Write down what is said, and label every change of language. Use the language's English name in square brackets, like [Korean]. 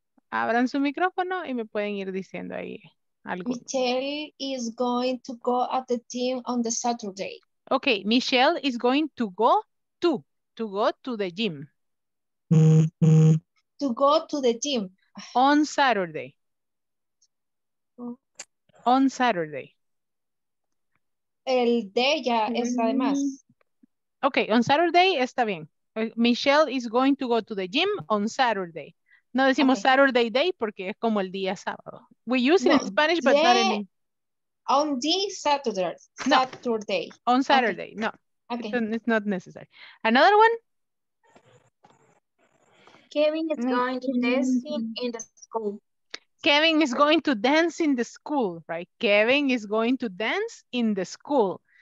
[Spanish] Abran su micrófono y me pueden ir diciendo ahí algo. [English] Michelle is going to go at the gym on the Saturday. Okay, Michelle is going to go to go to the gym. To go to the gym. On Saturday. On Saturday. [Spanish] El de ella es además. Okay, on Saturday está bien. Michelle is going to go to the gym on Saturday. No decimos okay. Saturday day porque es como el día sábado. [English] We use it no, in Spanish, but not in English. On the Saturday. No. Saturday. On Saturday. Okay. No. Okay. It's not necessary. Another one? Kevin is going to dancing in the school. Kevin is going to dance in the school, right? Kevin is going to dance in the school.